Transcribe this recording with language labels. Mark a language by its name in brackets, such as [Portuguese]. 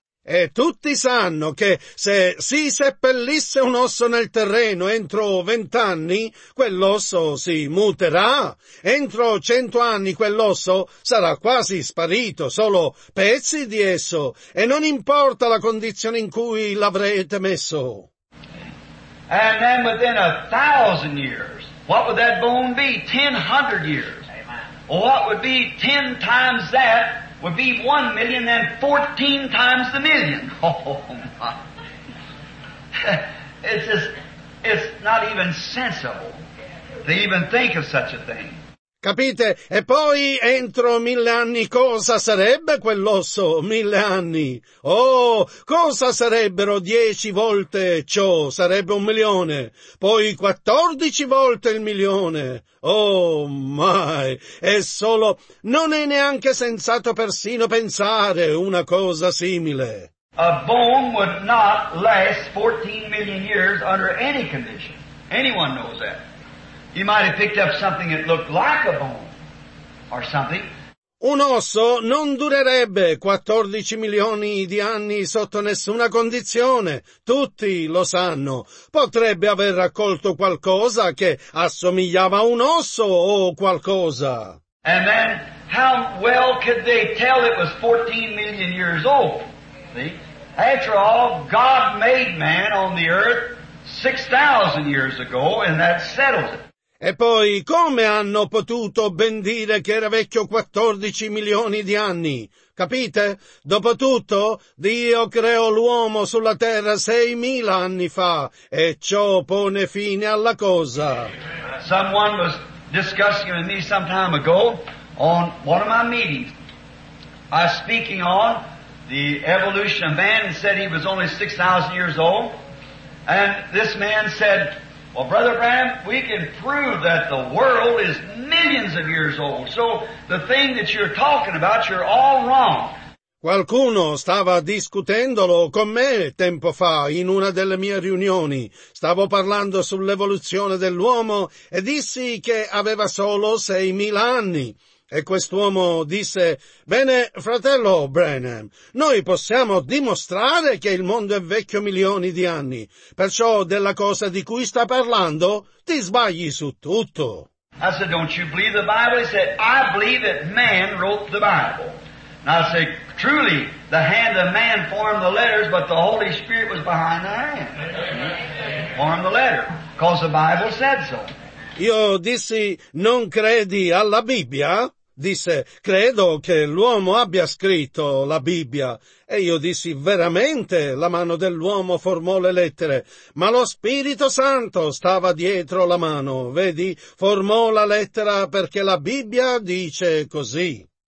[Italian] E tutti sanno che se si seppellisse un osso nel terreno entro 20 anni, quell'osso si muterà. Entro 100 anni quell'osso sarà quasi sparito, solo pezzi di esso, e non importa la condizione in cui l'avrete messo. [English] And then within 1,000 years, what would that bone be? 1,000 years. Amen. What would be 10 times that? Would be 1 million and 14 times the million. Oh my. It's just, it's not even sensible to even think of such a thing. [Italian] Capite? E poi entro 1,000 anni cosa sarebbe quell'osso? 1,000 anni. Oh, cosa sarebbero 10 volte ciò? Sarebbe 1 milione. Poi 14 volte il milione. Oh, mai. È solo, non è neanche sensato persino pensare una cosa simile. [English] A bone would not last 14 million years under any condition. Anyone knows that. You might have picked up something that looked like a bone or something. [Italian] Un osso non durerebbe 14 milioni di anni sotto nessuna condizione. Tutti lo sanno. Potrebbe aver raccolto qualcosa che assomigliava a un osso o qualcosa. [English] And then how well could they tell it was 14 million years old? See? After all, God made man on the earth 6,000 years ago, and that settles it. [Italian] E poi, come hanno potuto ben dire che era vecchio 14 milioni di anni? Capite? Dopotutto, Dio creò l'uomo sulla terra 6,000 anni fa, e ciò pone fine alla cosa. [English] Someone was discussing with me some time ago on one of my meetings. I was speaking on the evolution of man, and said he was only 6,000 years old. And this man said, well, Brother Branham, we can prove that the world is millions of years old. So the thing that you're talking about, you're all wrong. [Italian] Qualcuno stava discutendolo con me tempo fa in una delle mie riunioni. Stavo parlando sull'evoluzione dell'uomo e dissi che aveva solo 6,000 anni. E quest'uomo disse, bene, fratello Branham, noi possiamo dimostrare che il mondo è vecchio milioni di anni, perciò della cosa di cui sta parlando ti sbagli su tutto. [English] I said, don't you believe the Bible? He said, I believe that man wrote the Bible. And I said, truly, the hand of man formed the letters, but the Holy Spirit was behind the hand. Formed the letter, because the Bible said so. [Italian] Io dissi, non credi alla Bibbia? Disse, credo che l'uomo abbia scritto la Bibbia. E io dissi, veramente la mano dell'uomo formò le lettere, ma lo Spirito Santo stava dietro la mano, vedi, formò la lettera perché la Bibbia dice così.